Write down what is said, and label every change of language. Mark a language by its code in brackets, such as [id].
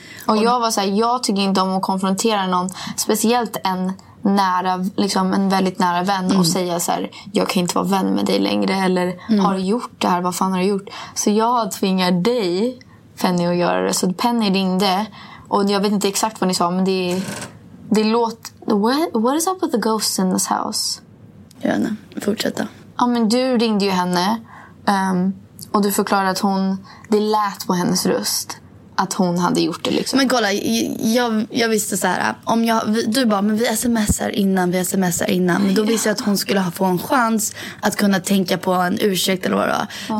[sv] Och jag var så här, jag tycker inte om att konfrontera någon, speciellt en nära, liksom en väldigt nära vän, och säga så här, jag kan inte vara vän med dig längre, eller har du gjort det här, vad fan har du gjort? Så jag tvingar dig, Penny, att göra det. Så Penny ringde, och jag vet inte exakt vad ni sa, men det låter... [en] What is up with the ghosts in this house? [sv] Jag vet inte, fortsätta. Ja, men du ringde ju henne, och du förklarade att hon, det lät på hennes röst att hon hade gjort det liksom. Men kolla, jag visste så här, om jag, du bara, men vi smsar innan. Då visste jag att hon skulle få en chans att kunna tänka på en ursäkt eller vad det var.